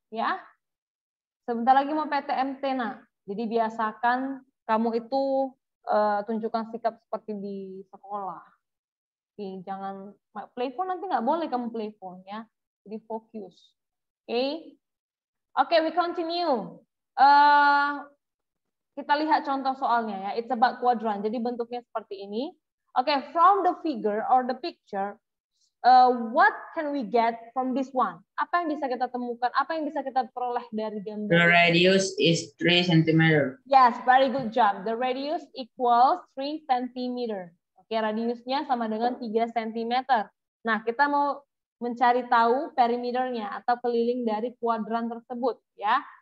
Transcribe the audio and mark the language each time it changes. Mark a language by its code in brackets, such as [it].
[id] Ya, sebentar lagi mau PTMT, nak. Jadi biasakan kamu itu tunjukkan sikap seperti di sekolah. Oke, jangan [en] play phone, [id] nanti nggak boleh kamu play phone ya. Jadi fokus. [en] Oke, okay, we continue. [id] Kita lihat contoh soalnya ya. [en] It's about quadrant. [id] Jadi bentuknya seperti ini. [en] Okay, from the figure or the picture, what can we get from this one? [id] Apa yang bisa kita temukan? Apa yang bisa kita peroleh dari gambar? [en] The radius is 3 cm. Yes, very good job. The radius equals 3 cm. [id] Okay, radiusnya sama dengan 3 cm. Nah, kita mau mencari tahu perimeternya atau keliling dari kuadran tersebut ya.